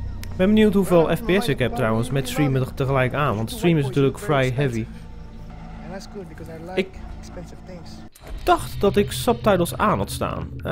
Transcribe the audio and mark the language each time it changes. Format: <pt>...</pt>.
<nl>Ik ben benieuwd hoeveel FPS ik heb trouwens met streamen tegelijk aan. Want stream is natuurlijk vrij heavy.</nl> <en>And that's good because I like expensive things.</en> <nl>Ik dacht dat ik subtitles aan had staan.</nl>